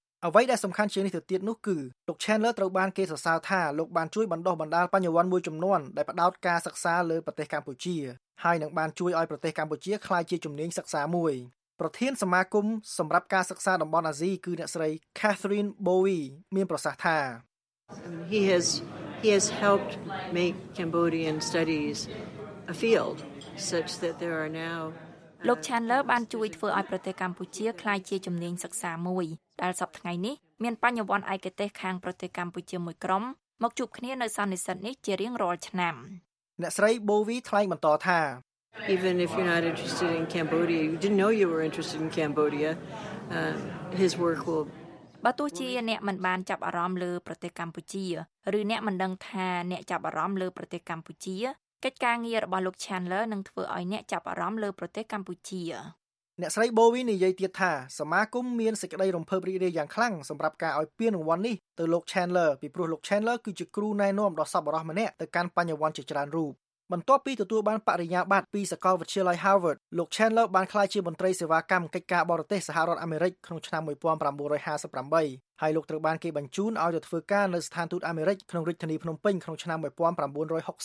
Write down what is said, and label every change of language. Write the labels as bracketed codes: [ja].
[km] អ្វីដែលសំខាន់ជាងនេះទៅទៀតនោះគឺលោក Chandler ត្រូវបានគេសរសើរថាលោកបានជួយបណ្ដុះបណ្ដាលបញ្ញវន្តមួយចំនួនដែលផ្ដោតការសិក្សាលើប្រទេសកម្ពុជាហើយនឹងបានជួយឲ្យប្រទេសកម្ពុជាក្លាយជាជំនាញសិក្សាមួយប្រធានសមាគមសម្រាប់ការសិក្សាតំបន់អាស៊ីគឺអ្នកស្រី Catherine Bowie មានប្រសាសន៍ថា [en] He has helped make Cambodian studies a field such that there are now [km] លោក Chandler បានជួយធ្វើឲ្យប្រទេសកម្ពុជាក្លាយជាជំនាញសិក្សាមួយដែលសពថ្ងៃនេះមានបញ្ញវន្តឯកទេសខាងប្រទេសកម្ពុជាមួយក្រុមមកជួបគ្នានៅសន្និសីទនេះជារៀងរាល់ឆ្នាំ អ្នកស្រី Bowie ថ្លែងបន្តថា [en] Even if you're not interested in Cambodia you didn't know you were interested in Cambodia his work will [km] បើទោះជាអ្នកមិនបានចាប់អារម្មណ៍លើប្រទេសកម្ពុជាឬអ្នកមិនដឹងថាអ្នកចាប់អារម្មណ៍លើប្រទេសកម្ពុជាកិច្ចការងាររបស់លោក Chandler នឹងធ្វើឲ្យអ្នកចាប់អារម្មណ៍លើប្រទេសកម្ពុជា អ្នកស្រីបូវីនិយាយទៀតថាសមាគមមានសេចក្តីរំភើបរីករាយយ៉ាងខ្លាំងសម្រាប់ការឲ្យពានរង្វាន់នេះទៅលោក Chandler ពីព្រោះលោក Chandler គឺជាគ្រូណែនាំដ៏សប្បុរសម្នាក់ទៅកាន់បញ្ញវន្តជាច្រើនរូបបន្ទាប់ពីទទួលបានបរិញ្ញាបត្រពីសាកលវិទ្យាល័យ Harvard លោក Chandler បានក្លាយជាមន្ត្រីសេវាកម្មកិច្ចការបរទេសសហរដ្ឋអាមេរិកក្នុងឆ្នាំ1958ហើយលោកត្រូវបានគេបញ្ជូនឲ្យទៅធ្វើការនៅស្ថានទូតអាមេរិកក្នុងរាជធានីភ្នំពេញក្នុងឆ្នាំ1960